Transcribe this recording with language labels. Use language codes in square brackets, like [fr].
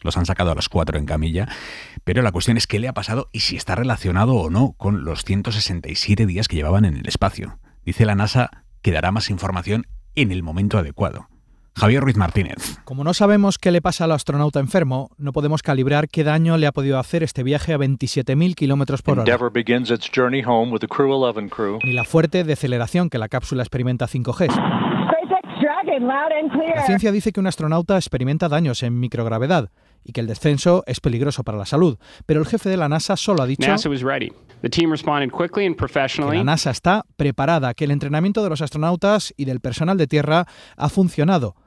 [es] Los han sacado a los cuatro en camilla. Pero la cuestión es qué le ha pasado y si está relacionado o no con los 167 días que llevaban en el espacio. Dice la NASA que dará más información en el momento adecuado. Javier Ruiz Martínez. Como no sabemos qué le pasa al astronauta enfermo, no podemos calibrar qué daño le ha podido hacer este viaje a 27.000 kilómetros por hora. [en] Endeavour begins its journey home with the Crew 11 crew. [es] Ni la fuerte deceleración que la cápsula experimenta 5G. [en] SpaceX Dragon, loud and clear. [es] La ciencia dice que un astronauta experimenta daños en microgravedad y que el descenso es peligroso para la salud. Pero el jefe de la NASA solo ha dicho... [en] NASA was ready. The team responded quickly and professionally. [es] La NASA está preparada, que el entrenamiento de los astronautas y del personal de tierra ha funcionado.